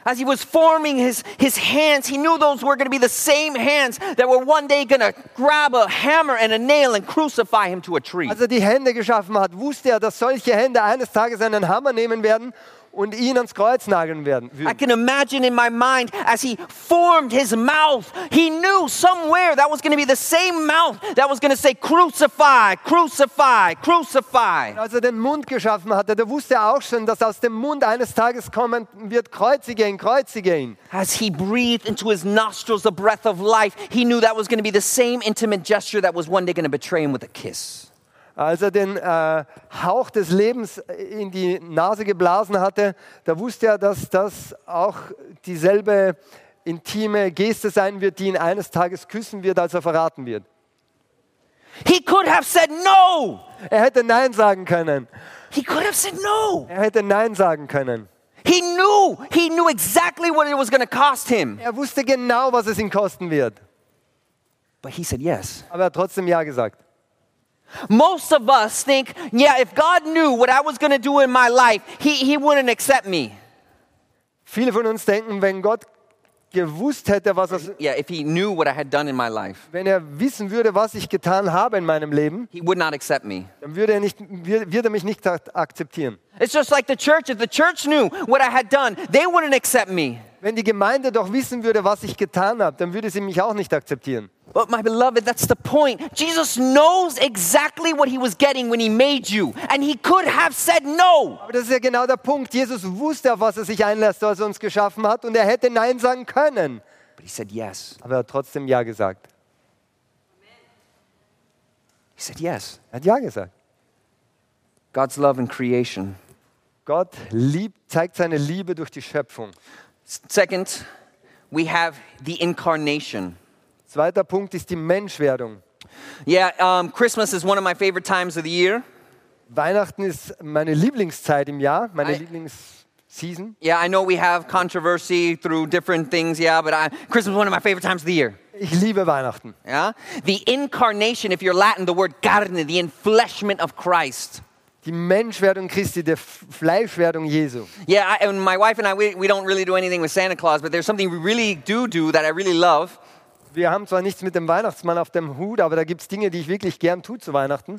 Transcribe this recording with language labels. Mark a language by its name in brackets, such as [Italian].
[English] As he was forming his hands, he knew those were going to be the same hands that were one day going to grab a hammer and a nail and crucify him to a tree. [German] Als er die Hände geschaffen hat, wusste er, dass solche Hände eines Tages einen Hammer nehmen werden und ihn ans Kreuz nageln werden. [English] I can imagine in my mind as he formed his mouth, he knew somewhere that was going to be the same mouth that was going to say crucify, crucify, crucify. [German] Als er den Mund geschaffen hatte, der wusste auch schon, dass aus dem Mund eines Tages kommen wird, kreuzige ihn, kreuzige ihn. [English] As he breathed into his nostrils the breath of life, he knew that was going to be the same intimate gesture that was one day going to betray him with a kiss. [German] Als er den Hauch des Lebens in die Nase geblasen hatte, da wusste er, dass das auch dieselbe intime Geste sein wird, die ihn eines Tages küssen wird, als er verraten wird. [English] He could have said no. [German] Er hätte Nein sagen können. [English] He could have said no. [German] Er hätte Nein sagen können. [English] He knew exactly what it was going to cost him. [German] Er wusste genau, was es ihn kosten wird. [English] But he said yes. [German] Aber er hat trotzdem Ja gesagt. [English] Most of us think, yeah, if God knew what I was going to do in my life, he wouldn't accept me. [German] Viele von uns denken, wenn Gott gewusst hätte, was er, [English] yeah, if he knew what I had done in my life. [German] Wenn er wissen würde, was ich getan habe in meinem Leben, [English] he would not accept me. [German] Dann würde er nicht, würde er mich nicht akzeptieren. [English] It's just like the church. If the church knew what I had done, they wouldn't accept me. [German] Wenn die Gemeinde doch wissen würde, was ich getan habe, dann würde sie mich auch nicht akzeptieren. [English] But my beloved, that's the point. Jesus knows exactly what he was getting when he made you, and he could have said no. [German] Aber das ist ja genau der Punkt. Jesus wusste, auf was er sich einlässt, als er uns geschaffen hat, und er hätte Nein sagen können. [English] But he said yes. [German] Aber er hat trotzdem Ja gesagt. [English] He said yes. [German] Er hat Ja gesagt. [English] God's love in creation. [German] Gott zeigt seine Liebe durch die Schöpfung. [English] Second, we have the incarnation. [German] Zweiter Punkt ist die Menschwerdung. [English] Yeah, Christmas is one of my favorite times of the year. [German] Weihnachten ist meine Lieblingszeit im Jahr, meine Lieblingsseason. [English] Yeah, I know we have controversy through different things, yeah, but Christmas is one of my favorite times of the year. [German] Ich liebe Weihnachten. [English] Yeah, the incarnation, if you're Latin, the word carne, the enfleshment of Christ. [German] Die Menschwerdung Christi, die Fleischwerdung Jesu. [English] Yeah, and my wife and I, we don't really do anything with Santa Claus, but there's something we really do that I really love. [German] Wir haben zwar nichts mit dem Weihnachtsmann auf dem Hut, aber da gibt's Dinge, die ich wirklich gern tue zu Weihnachten.